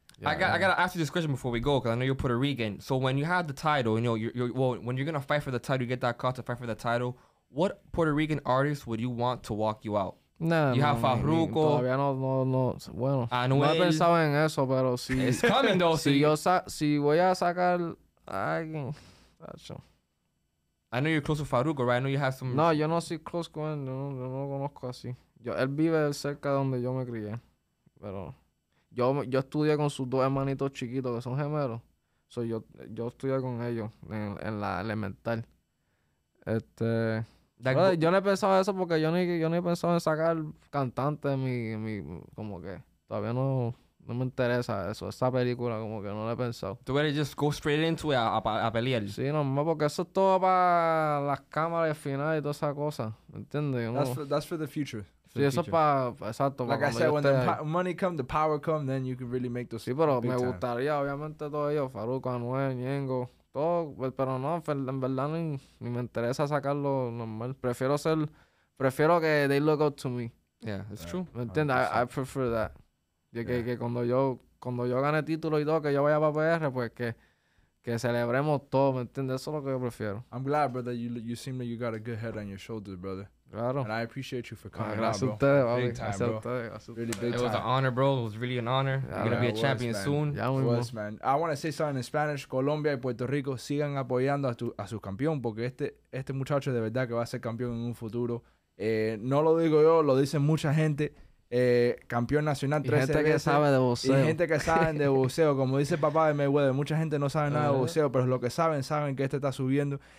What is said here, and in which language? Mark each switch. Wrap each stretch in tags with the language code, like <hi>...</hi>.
<en>Yeah, I got to ask you this question before we go, because I know you're Puerto Rican. So when you have the title, you know, when you're going to fight for the title, you get that call to fight for the title, what Puerto Rican artist would you want to walk you out?</en> <es>No, Farruko. Todavía no. Bueno, Anuel. No he pensado en eso, pero si...</es> <en>It's coming, though.</en> <es>Si voy a sacar a alguien...</es> <en>I know you're close with Farruko, right? I know you have some...</en> <es>No, yo no soy close con él. Yo no lo conozco así. Él vive cerca de donde yo me crié. Pero yo estudié con sus dos hermanitos chiquitos, que son gemelos. So yo estudié con ellos en la elemental. Yo no he pensado eso porque yo ni he pensado en sacar cantante mi como que todavía no me interesa eso, esa película como que no la he pensado. ¿Tú quieres</es> <en>just go straight into it</en> <es>a pelear? Sí, normal, porque eso es todo para las cámaras finales y toda esa cosa, ¿entiendes?</es> <en>That's for the future.</en> <es>Sí, eso para exacto.</es> <en>Like I said, when money come, the power come, then you can really make those.</en> <es>Sí, pero me gustaría, obviamente, todo ello, Farruko, Anuel, Ñengo. Todo, pero no, en verdad ni me interesa sacarlo normal. Prefiero que</es> <en>they look up to me. Yeah, it's true.</en> <es>¿Me entiendes?</es> <en>I prefer that.</en> <es>Que cuando yo gane título y todo, que yo vaya para PR, pues que celebremos todo, ¿me entiendes? Eso es lo que yo prefiero.</es> <en>I'm glad, brother, you seem like you got a good head on your shoulders, brother.</en> <es>Claro.</es> <en>And I appreciate you for coming out, bro. Big time, bro. It was an honor, bro. It was really an honor. You're going to be a champion soon. It was, man. I want to say something in Spanish.</en> <es>Colombia y Puerto Rico, sigan apoyando a su campeón, porque este muchacho de verdad que va a ser campeón en un futuro. No lo digo yo, lo dicen mucha gente. Campeón nacional 13 veces. Y gente que sabe de boxeo. Y gente que sabe de boxeo. Como dice el papá de Mayweather, mucha gente no sabe nada de boxeo, pero lo que saben que este está subiendo.</es>